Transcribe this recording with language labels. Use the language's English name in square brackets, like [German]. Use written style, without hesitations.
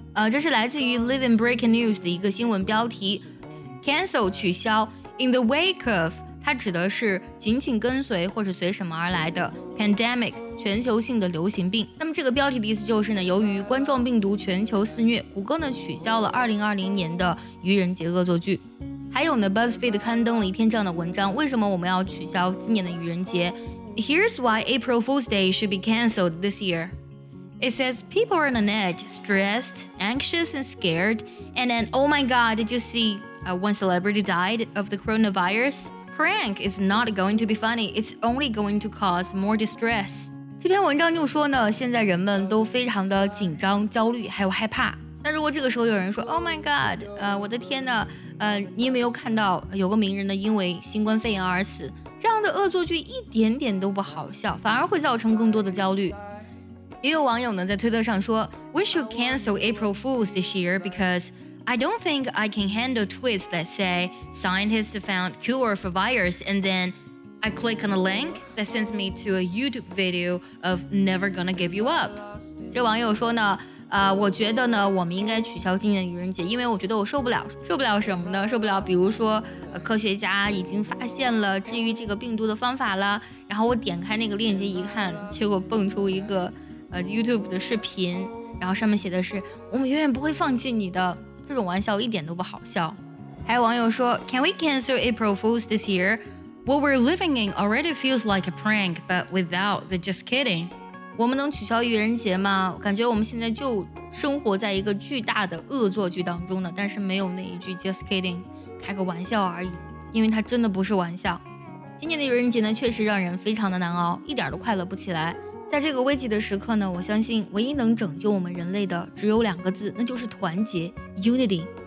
[Chinese] 这是来自于 Live and Breaking News 的一个新闻标题。Cancel 取消 [English] in the wake of [Chinese] 它指的是紧紧跟随或是随什么而来的 pandemic 全球性的流行病。那么这个标题的意思就是呢，由于冠状病毒全球肆虐，谷歌呢取消了2020年的愚人节恶作剧。还有呢， BuzzFeed 刊登了一篇这样的文章，为什么我们要取消今年的愚人节。 [English] Here's why April Fool's Day should be cancelled this year. It says people are on an edge, stressed, anxious, and scared. And then, oh my god, did you see one celebrity died of the coronavirus? Prank is not going to be funny. It's only going to cause more distress. [Chinese] 这篇文章就说呢，现在人们都非常的紧张、焦虑，还有害怕。那如果这个时候有人说 [English] Oh my god, [Chinese] 我的天哪，你有没有看到有个名人呢因为新冠肺炎而死，这样的恶作剧一点点都不好笑，反而会造成更多的焦虑。也有网友呢在推特上说， [English] We should cancel April Fools this year because I don't think I can handle tweets that say scientists found cure for virus and then I click on a link that sends me to a YouTube video of never gonna give you up. [Chinese] 这网友说呢，我觉得呢我们应该取消今年的愚人节，因为我觉得我受不了什么呢，受不了比如说科学家已经发现了治愈这个病毒的方法了，然后我点开那个链接一看，结果蹦出一个YouTube 的视频，然后上面写的是我们永远不会放弃你的，这种玩笑一点都不好笑。还有网友说， [English] Can we cancel April Fools this year? What we're living in already feels like a prank but without the just kidding. [Chinese] 我们能取消愚人节吗？感觉我们现在就生活在一个巨大的恶作剧当中呢，但是没有那一句 [English] just kidding， [Chinese] 开个玩笑而已，因为它真的不是玩笑。今年的愚人节呢，确实让人非常的难熬，一点都快乐不起来。在这个危急的时刻呢，我相信唯一能拯救我们人类的只有两个字，那就是团结 unity。